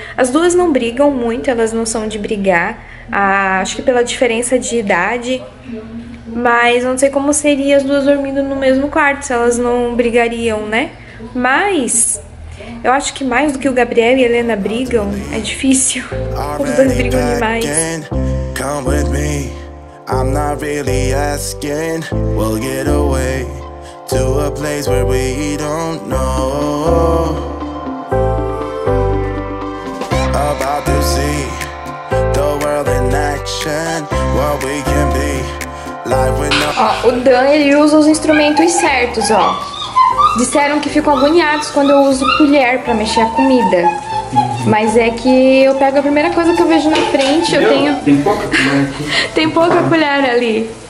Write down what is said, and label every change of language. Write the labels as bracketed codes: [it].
[pt] As duas não brigam muito, elas não são de brigar, acho que pela diferença de idade. Mas não sei como seria as duas dormindo no mesmo quarto, se elas não brigariam, né. Mas eu acho que mais do que o Gabriel e a Helena brigam, é difícil. Os dois brigam demais. [en] Come with me, I'm not really asking, we'll get away. To a place where we don't know. About to see the world in action. What we can be. Life with no. [pt] Ó, o Dan, ele usa os instrumentos certos, ó. Disseram que ficam agoniados quando eu uso colher pra mexer a comida. Mas é que eu pego a primeira coisa que eu vejo na frente. Eu tenho. Tem pouca colher aqui. Tem pouca colher ali.